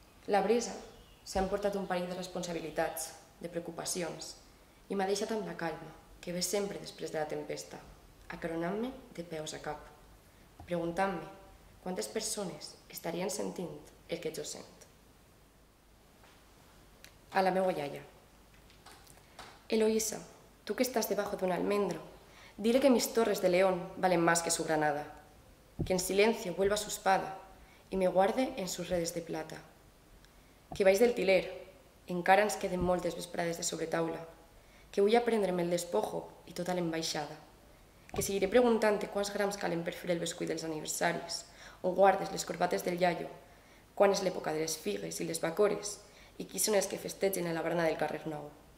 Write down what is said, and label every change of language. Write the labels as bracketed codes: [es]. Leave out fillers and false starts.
[ca] La brisa s'ha emportat un parell de responsabilitats, de preocupacions, i m'ha deixat amb la calma, que ve sempre després de la tempesta, acaronant-me de peus a cap, preguntant-me quantes persones estarien sentint el que jo sent. A la meua iaia. [es] Eloísa, tú que estás debajo de un almendro, dile que mis torres de león valen más que su granada, que en silencio vuelva su espada y me guarde en sus redes de plata. [ca] Que vais del tiler, encara ens queden moltes vesprades de sobretaula, que vull aprendre'm el despojo i tota l'embaixada, que seguiré preguntant-te quants grams calen per fer el bescuit dels aniversaris o guardes les corbates del iaio, quan és l'època de les figues i les bacores i qui són els que festegen a la barana del carrer Nou.